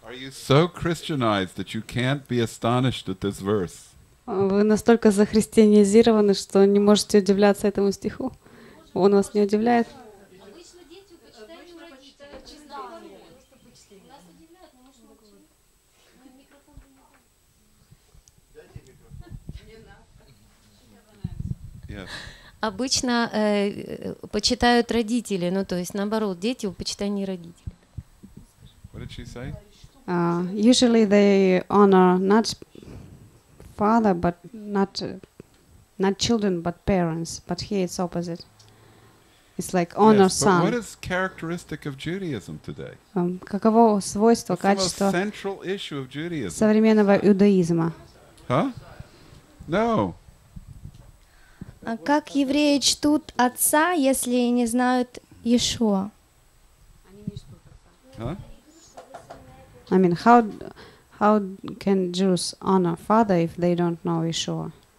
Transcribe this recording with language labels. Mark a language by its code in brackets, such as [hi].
[en] So Christianized that you can't be astonished at this verse. [ru] Вы настолько захристианизированы, что не можете удивляться этому стиху. Он вас не удивляет. Обычно дети почитают у родителей. Обычно почитают родители, ну то есть наоборот, дети у почитания родителей. [en] What did she say? Usually they honor not father, but not children, but parents. But here it's opposite. It's like honor yes, son. But what is characteristic of Judaism today? [ru] Каково свойство, [en] What's [ru] качество? [en] The most central issue of Judaism? [ru] Современного иудаизма. [en] Huh? No. [ru] А как евреи чтут отца, если не знают Иешуа? [en] I mean, how can Jews honor father if they don't know Yeshua?